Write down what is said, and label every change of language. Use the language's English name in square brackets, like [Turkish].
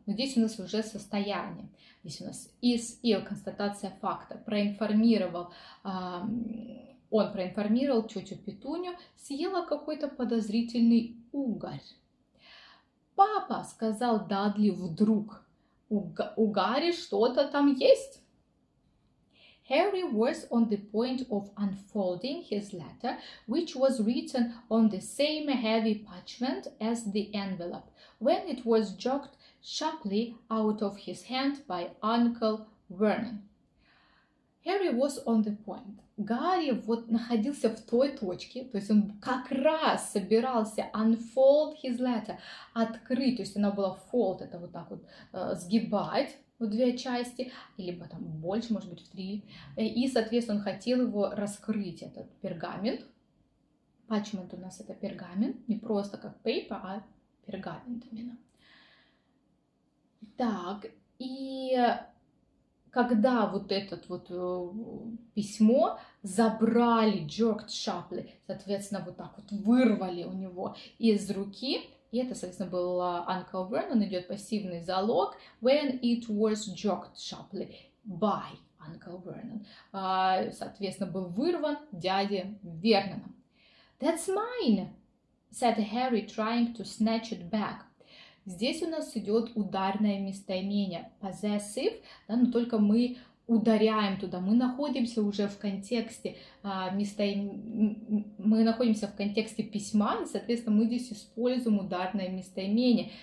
[Russian] Здесь у нас уже состояние. Здесь у нас [English] is ill, [Russian] констатация факта. Проинформировал. Он проинформировал тетю Петунию, съела какой-то подозрительный уголь. Папа, сказал Дадли вдруг, у Гарри что-то там есть? [English] Harry was on the point of unfolding his letter, which was written on the same heavy parchment as the envelope, when it was jerked sharply out of his hand by Uncle Vernon. Harry was on the point. [Russian] Гарри вот находился в той точке, то есть он как раз собирался [English] unfold his letter, [Russian] открыть, то есть она была fold, это вот так вот сгибать в две части, либо там больше, может быть, в три. И, соответственно, он хотел его раскрыть, этот пергамент. Parchment у нас это пергамент, не просто как paper, а пергамент именно. Так, и... Когда вот это вот письмо забрали, [English] jerked sharply, [Russian] соответственно, вот так вот вырвали у него из руки, и это, соответственно, был Uncle Vernon, идет пассивный залог, [English] when it was jerked sharply by Uncle Vernon, [Russian] соответственно, был вырван дяде Верноном. [English] That's mine, said Harry, trying to snatch it back. [Russian] Здесь у нас идет ударное местоимение possessive, да, но только мы ударяем туда, мы находимся уже в контексте мы находимся в контексте письма, и, соответственно, мы здесь используем ударное местоимение.